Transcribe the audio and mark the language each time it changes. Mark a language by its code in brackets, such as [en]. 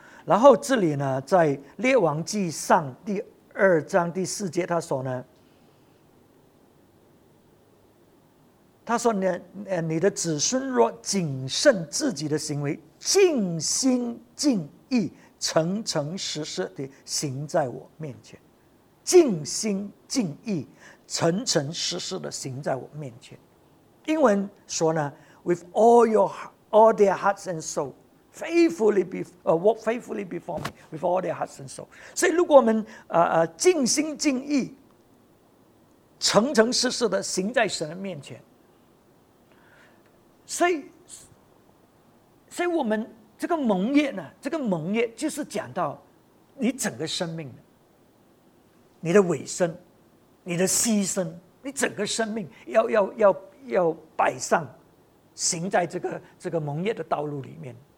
[zh] 然后这里呢在列王记上第二章第四节，他说呢，你的子孙若谨慎自己的行为，尽心尽意诚诚实实地行在我面前，尽心尽意诚诚实实地行在我面前。英文说呢 [en] ，with all their hearts and soul， walk faithfully before me with all their hearts and soul。 [zh] 所以，如果我们尽心尽意、诚诚实实地行在神的面前，所以我们这个盟约呢，这个盟约就是讲到你整个生命的，你的委身，你的牺牲，你整个生命要摆上，行在这个盟约的道路里面。